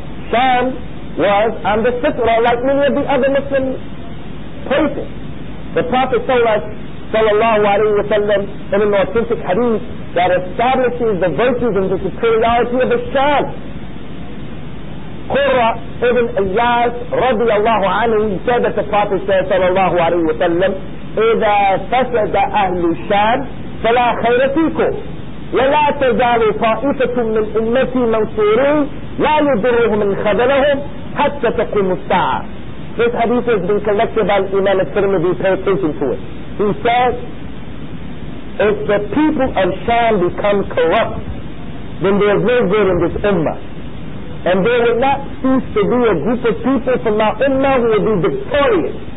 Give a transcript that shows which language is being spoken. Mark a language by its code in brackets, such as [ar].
[en] Sham was on the fitra like many of the other Muslim places. The Prophet told us, [ar] sallallahu alayhi wa sallam, [en] in an authentic hadith, that establishes the virtues and the superiority of the Sham. [ar] Qurra ibn Iyaz radiallahu anhu, [en] he said that the Prophet said [ar] sallallahu alayhi wa sallam, إِذَا فَسَدَ أَهْلُ الشَّامِ فَلَا خَيْرَ فِيكُمْ وَلَا تَزَالُ طَائِفَةٌ مِنْ أُمَّتِي مَنْصُورِينَ لَا يُضُرُّهُمْ مِنْ خَذَلَهُمْ حَتَّى تَقُومُ السَّاعَةُ. [en] This hadith has been collected by Imam al-Tirmidhi, pay attention to it. He says, if the people of Sham become corrupt, then there is no good in this ummah. And there will not cease to be a group of people from my ummah who will be victorious.